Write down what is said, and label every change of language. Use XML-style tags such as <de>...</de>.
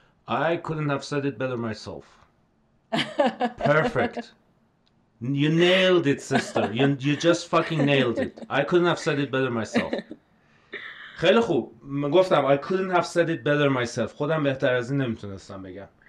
<en>I couldn't have said it better myself. Perfect. You nailed it, sister. You just fucking nailed it. I couldn't have said it better myself.</en> <fa>خیلی خوب. من گفتم</fa> <en>I couldn't have said it better myself.</en> <fa>خودم بهتر از این نمیتونستم بگم.</fa>